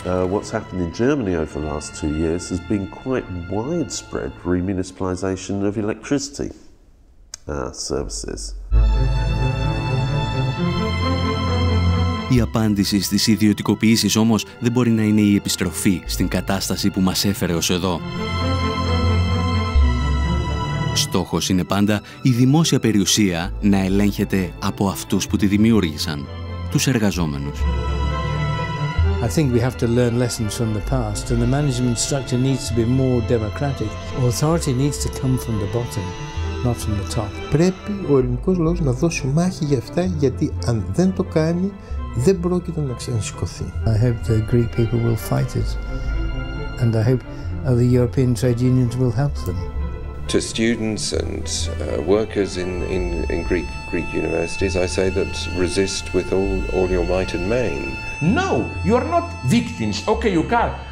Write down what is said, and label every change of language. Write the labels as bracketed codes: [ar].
[en] What's happened in Germany over the last 2 years has been quite widespread remunicipalization of electricity services. [el] Η απάντηση στις ιδιωτικοποιήσεις όμως δεν μπορεί να είναι η επιστροφή στην κατάσταση που μας έφερε ως εδώ. Στόχος είναι πάντα η δημόσια περιουσία να ελέγχεται από αυτούς που τη δημιούργησαν, τους εργαζόμενους. [en] I think we have to learn lessons from the past and the management structure needs to be more democratic. Authority needs to come from the bottom. [el] Πρέπει ο ελληνικός λαός να δώσει μάχη για αυτά, γιατί αν δεν το κάνει, δεν πρόκειται να ξανασηκωθεί. [en] I hope the Greek people will fight it, and I hope the European trade unions will help them. To students and workers in Greek universities, I say that resist with all your might and main. No, you are not victims. Okay, you can't.